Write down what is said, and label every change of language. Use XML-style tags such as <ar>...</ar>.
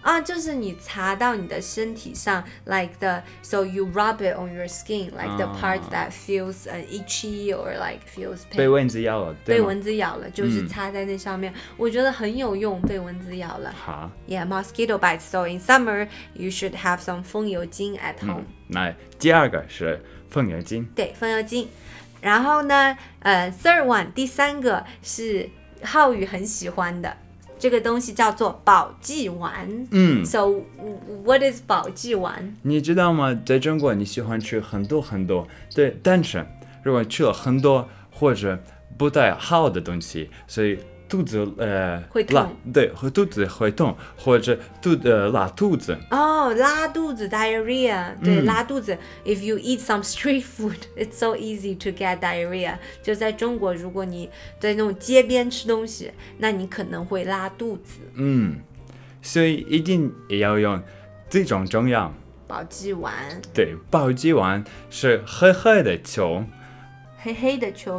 <zh>就是你擦到你的身体上</zh> <en>，like the so you rub it on your skin, like the part that feels itchy or like feels pain.</en> <zh>被蚊子咬了，被蚊子咬了，就是擦在那上面，我觉得很有用。被蚊子咬了，好</zh> <en>，yeah, mosquito bites. So in summer, you should have some 风油精 at home.</en> <zh>那第二个是风油精，对，风油精。然后呢，</zh> <en>third one,</en> <zh>第三个是。浩宇很喜欢的这个东西叫做保济丸。 So what is 保济丸？你知道吗？在中国你喜欢吃很多很多，对，但是如果吃了很多或者不太好的东西，所以肚子会痛，对，肚子会痛，或者拉肚子。拉肚子 diarrhea, 对，拉肚子。</zh> <en>If you eat some street food, it's so easy to get diarrhea.</en> <zh>就在中国，如果你在那种街边吃东西，那你可能会拉肚子。所以一定也要用这种中药保济丸。对，保济丸是黑黑的球，黑黑的球，</zh>